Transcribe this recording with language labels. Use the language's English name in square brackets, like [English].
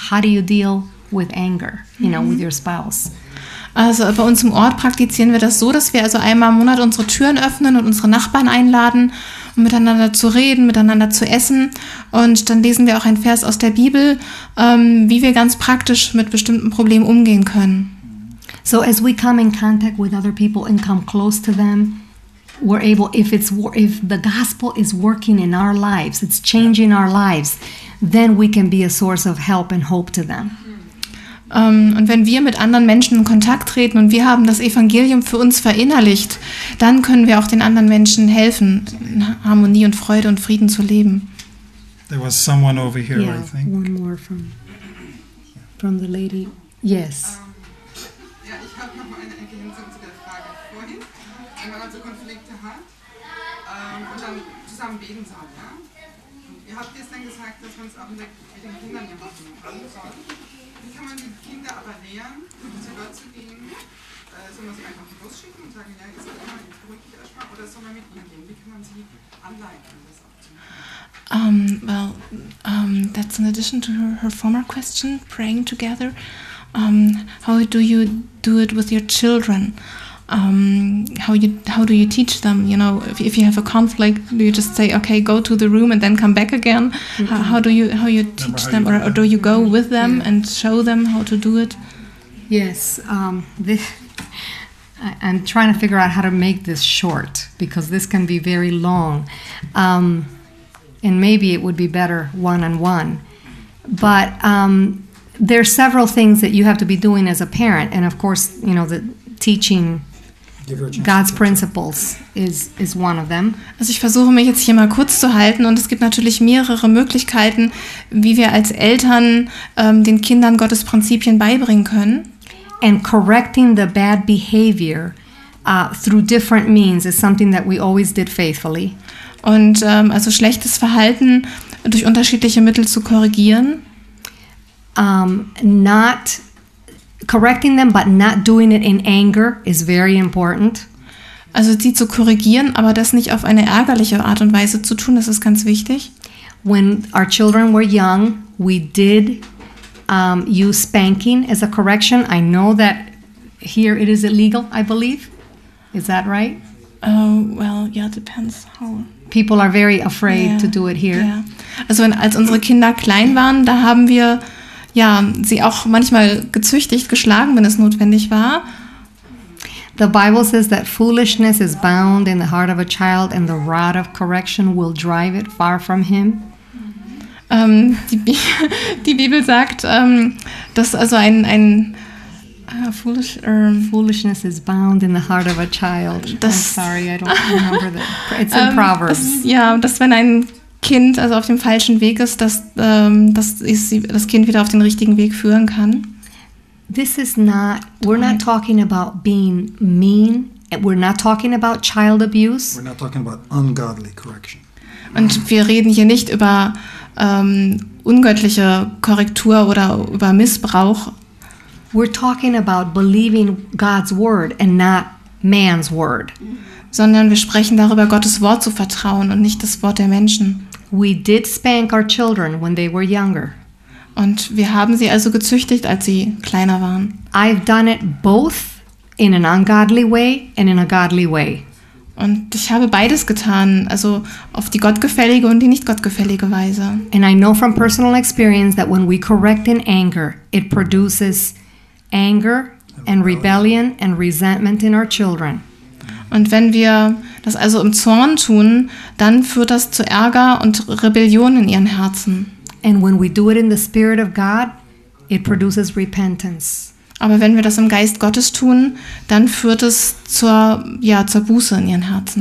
[English] How do you deal with anger, you know, with your spouse? [German] Also bei uns im Ort praktizieren wir das so, dass wir also einmal im Monat unsere Türen öffnen und unsere Nachbarn einladen, um miteinander zu reden, miteinander zu essen. Und dann lesen wir auch einen Vers aus der Bibel, wie wir ganz praktisch mit bestimmten Problemen umgehen können. [English] So as we come in contact with other people and come close to them, we're able, if the gospel is working in our lives, it's changing our lives, then we can be a source of help and hope to them. [German] Und wenn wir mit anderen Menschen in Kontakt treten und wir haben das Evangelium für uns verinnerlicht, dann können wir auch den anderen Menschen helfen, in Harmonie und Freude und Frieden zu leben. [English] There was someone over here, yeah, I think. Yeah, one more from the lady. Yes. [German] Ja, ich habe noch eine Ergänzung zu der Frage vorhin. Wenn man also Konflikte hat und dann zusammen beten soll, ja? Und ihr habt gestern gesagt, dass man es auch mit den Kindern machen soll. Wie kann man die Kinder aber lehren, zu Gott zu gehen? Soll man sie einfach losschicken und sagen, ja, jetzt geht mal ins Brötchen erstmal, oder soll man mit ihnen gehen? Wie kann man sie anleiten? [English] That's in addition to her former question, praying together. How do you do it with your children? How do you teach them? You know, if you have a conflict, do you just say, okay, go to the room and then come back again? Mm-hmm. How do you teach them, or do you go with them, yeah, and show them how to do it? Yes, I'm trying to figure out how to make this short because this can be very long, and maybe it would be better one-on-one. But there are several things that you have to be doing as a parent, and of course, you know, the teaching. God's principles is one of them. [German] Also ich versuche mich jetzt hier mal kurz zu halten, und es gibt natürlich mehrere Möglichkeiten, wie wir als Eltern den Kindern Gottes Prinzipien beibringen können. [English] And correcting the bad behavior through different means is something that we always did faithfully. [German] Und also schlechtes Verhalten durch unterschiedliche Mittel zu korrigieren. [English] Not correcting them, but not doing it in anger, is very important. [German] Also sie zu korrigieren, aber das nicht auf eine ärgerliche Art und Weise zu tun, das ist ganz wichtig. [English] When our children were young, we did use spanking as a correction. I know that here it is illegal, I believe. Is that right? Well, yeah, depends how... People are very afraid, yeah, to do it here. Yeah. [German] Also als unsere Kinder klein waren, da haben wir... Ja, sie auch manchmal gezüchtigt, geschlagen, wenn es notwendig war. [English] The Bible says that foolishness is bound in the heart of a child and the rod of correction will drive it far from him. [German] Die Bibel sagt, dass also ein [English] Foolishness is bound in the heart of a child. [German] Das, [English] I'm sorry, I don't remember that. It's in Proverbs. [German] Dass wenn ein Kind also auf dem falschen Weg ist, das Kind wieder auf den richtigen Weg führen kann. [English] This is not, we're not talking about being mean. We're not talking about child abuse. We're not talking about ungodly correction. [German] Und wir reden hier nicht über ungöttliche Korrektur oder über Missbrauch. [English] We're talking about believing God's word and not man's word. [German] Sondern wir sprechen darüber, Gottes Wort zu vertrauen und nicht das Wort der Menschen. [English] We did spank our children when they were younger. [German] Und wir haben sie also gezüchtigt, als sie kleiner waren. [English] I've done it both in an ungodly way and in a godly way. [German] Und ich habe beides getan, also auf die gottgefällige und die nicht gottgefällige Weise. [English] And I know from personal experience that when we correct in anger, it produces anger and rebellion and resentment in our children. [German] Und wenn wir das also im Zorn tun, dann führt das zu Ärger und Rebellion in ihren Herzen. [English] And when we do it in the Spirit of God, it produces repentance. [German] Aber wenn wir das im Geist Gottes tun, dann führt es zur Buße in ihren Herzen.